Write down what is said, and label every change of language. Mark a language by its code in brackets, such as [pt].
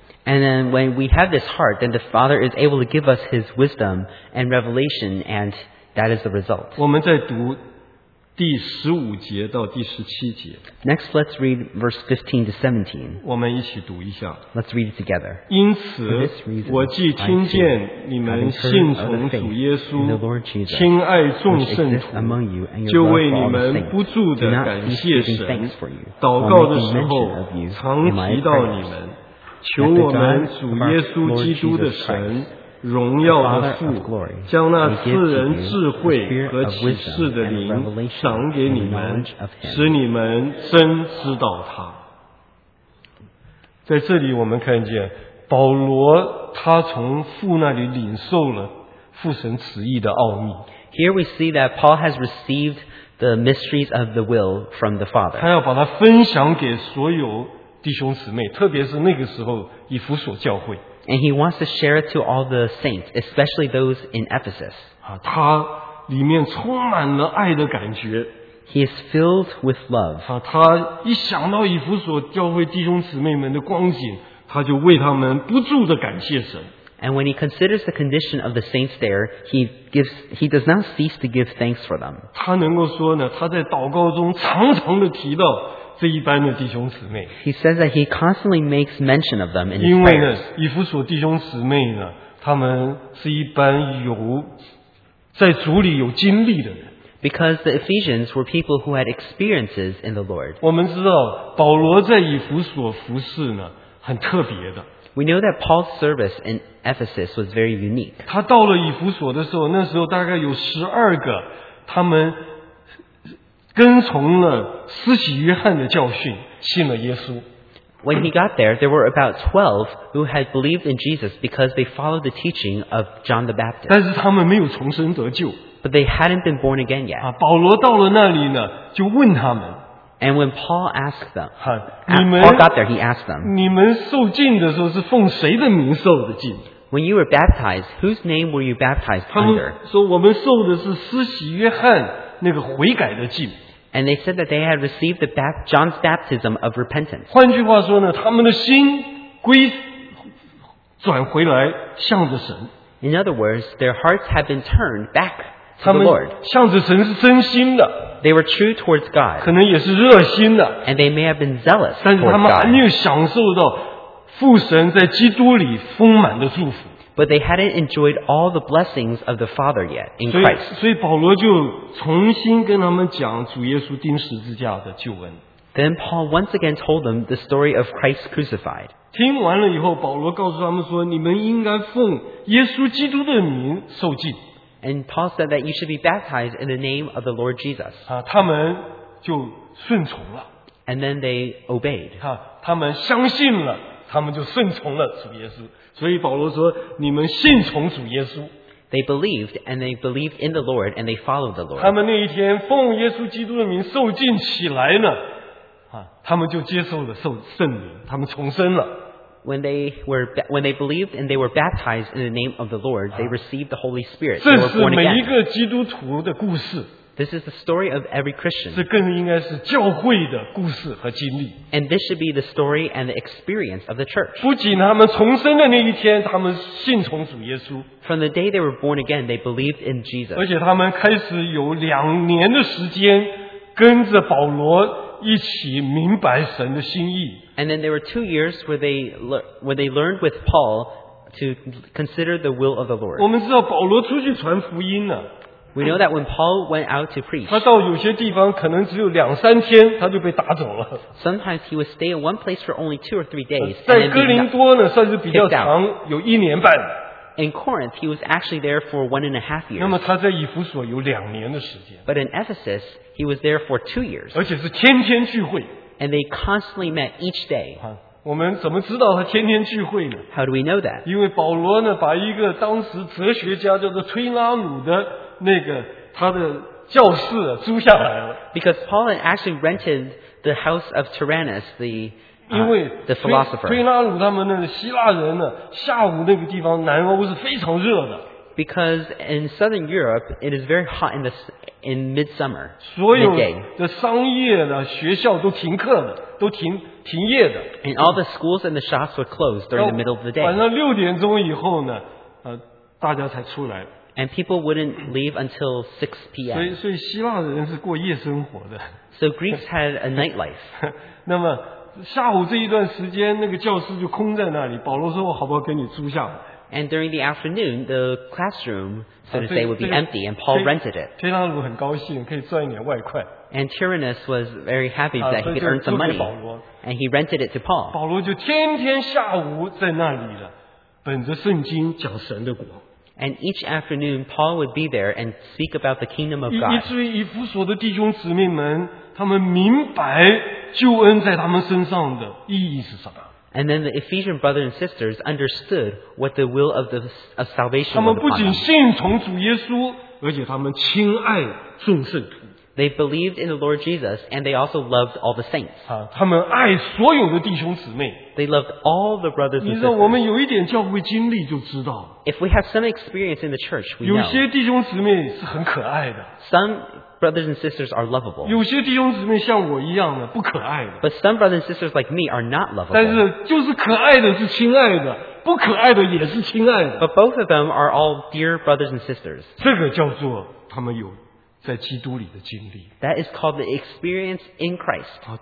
[en] And then when we have this heart, then the Father is able to give us his wisdom and revelation, and that is the result. [zh] 我们在读第十五节到第十七节。 [en] Next, let's read verse 15 to 17. [zh] 我们一起读一下。 [en] Let's read it together. [zh] 因此，我既听见你们信从主耶稣，亲爱众圣徒，就为你们不住的感谢神，祷告的时候常提到你们，求我们主耶稣基督的神，荣耀的父，将那赐人智慧和启示的灵赏给你们，使你们真知道他。在这里我们看见保罗他从父那里领受了父神旨意的奥秘。 [en] Here we see that Paul has received the mysteries of the will from the Father. [zh] 他要把它分享给所有弟兄姊妹，特别是那个时候以弗所教会。 [en] And he wants to share it to all the saints, especially those in Ephesus. [zh] 他里面充满了爱的感觉。 [en] He is filled with love. [zh] 他一想到以弗所教会弟兄姊妹们的光景，他就为他们不住的感谢神。 [en] And when he considers the condition of the saints there, he does not cease to give thanks for them. [zh] 他能够说呢，他在祷告中常常的提到这一般的弟兄姊妹。 [en] He says that he constantly makes mention of them in his prayers. [zh] 因为呢，以弗所弟兄姊妹呢，他们是一般有在主里有经历的人。 [en] Because the Ephesians were people who had experiences in the Lord. [zh] 我们知道保罗在以弗所服事呢，很特别的。 [en] We know that Paul's service in Ephesus was very unique. [zh] 他到了以弗所的时候，那时候大概有十二个他们跟从了施洗约翰的教训，信了耶稣。 [en] When he got there, there were about 12 who had believed in Jesus because they followed the teaching of John the Baptist. [zh] 但是他们没有重生得救。 [en] But they hadn't been born again yet. [zh] 保罗到了那里呢，就问他们。 [en] And when Paul asked them, [zh] 你们 [en] Paul got there, he asked them, [zh] 你们受浸的时候是奉谁的名受的浸？ [en] When you were baptized, whose name were you baptized under? [zh] 他们说我们受的是施洗约翰那个悔改的浸。 [en] And they said that they had received the John's baptism of repentance. [zh] 换句话说呢，他们的心归转回来向着神。 [en] In other words, their hearts had been turned back to the Lord. [zh] 他们向着神是真心的。 [en] They were true towards God. [zh] 可能也是热心的。 [en] And they may have been zealous towards God. [zh] 但是他们还没有享受到父神在基督里丰满的祝福。 [en] but they hadn't enjoyed all the blessings of the Father yet in Christ. [zh] 所以保罗就重新跟他们讲主耶稣钉十字架的救恩。 [en] Then Paul once again told them the story of Christ crucified. [zh] 听完了以后，保罗告诉他们说，你们应该奉耶稣基督的名受浸。 [en] And Paul said that you should be baptized in the name of the Lord Jesus. [zh] 啊，他们就顺从了。 [en] And then they obeyed. [zh] 啊，他们相信了。他们就顺从了主耶稣，所以保罗说：“你们信从主耶稣。” [en] They believed and they believed in the Lord and they followed the Lord. [zh] 他们那一天奉耶稣基督的名受浸起来了，他们就接受了圣灵，他们重生了。 [en] When they believed and they were baptized in the name of the Lord, they received the Holy Spirit. [zh] 这是每一个基督徒的故事。 [en] This is the story of every Christian. [zh] 这更应该是教会的故事和经历。 [en] And this should be the story and the experience of the church. [zh] 不仅他们重生的那一天，他们信从主耶稣。 [en] From the day they were born again, they believed in Jesus. [zh] 而且他们开始有两年的时间跟着保罗一起明白神的心意。 [en] And then there were 2 years where they learned with Paul to consider the will of the Lord. [zh] 我们知道保罗出去传福音了。 [en] We know that when Paul went out to preach, [zh] 他到有些地方可能只有两三天，他就被打走了。 [en] Sometimes he would stay in one place for only 2 or 3 days. [zh] 在哥林多呢，算是比较长，有一年半。 [en] In Corinth, he was actually there for 1.5 years. [zh] 那么他在以弗所有两年的时间。 [en] But in Ephesus, he was there for 2 years. [zh] 而且是天天聚会。 [en] And they constantly met each day. [zh] 我们怎么知道他天天聚会呢 [en] ？How do we know that? [zh] 因为保罗呢，把一个当时哲学家叫做崔拉努的。那个他的教室租下来了。 [en] Because Paul had actually rented the house of Tyrannus, the philosopher. [zh] 因为推拉鲁他们那个希腊人呢，下午那个地方南欧是非常热的。 [en] Because in southern Europe, it is very hot in midsummer. [zh] 所有的商业的学校都停课的，都停业的。 [en] And all the schools and the shops were closed during the middle of the day. [zh] 晚上六点钟以后呢，大家才出来。 [en] And people wouldn't leave until 6 p.m. [zh] 所以希腊人是过夜生活的。 [en] So Greeks had a nightlife. [zh] 那么下午这一段时间，那个教室就空在那里。保罗说：“我好不好给你租下来 [en] ？”And during the afternoon, the classroom, so to say, would be empty, and Paul rented it. [zh] 推拉鲁很高兴，可以赚一点外快。 [en] And Tyrannus was very happy that he could earn some money. And he rented it to Paul. [zh] 保罗就天天下午在那里了，本着圣经讲神的国。 [en] And each afternoon, Paul would be there and speak about the kingdom of God. [zh] 以至于以弗所的弟兄姊妹们，他们明白救恩在他们身上的意义是什么。 [en] And then the Ephesian brothers and sisters understood what the will of salvation was. [zh] 他们不仅信从主耶稣，而且他们亲爱众圣徒。 [en] They believed in the Lord Jesus, and they also loved all the saints. [zh] 他们爱所有的弟兄姊妹。 [en] They loved all the brothers and sisters. [zh] 你知道，我们有一点教会经历就知道。 [en] If we have some experience in the church, we know. [zh] 有些弟兄姊妹是很可爱的。 [en] Some brothers and sisters are lovable. [zh] 有些弟兄姊妹像我一样的不可爱的。 [en] But some brothers and sisters like me are not lovable. [zh] 但是就是可爱的是亲爱的，不可爱的也是亲爱的。 [en] But both of them are all dear brothers and sisters. [zh] 这个叫做他们有。在基督里的经历。 [en] That is called the experience in Christ.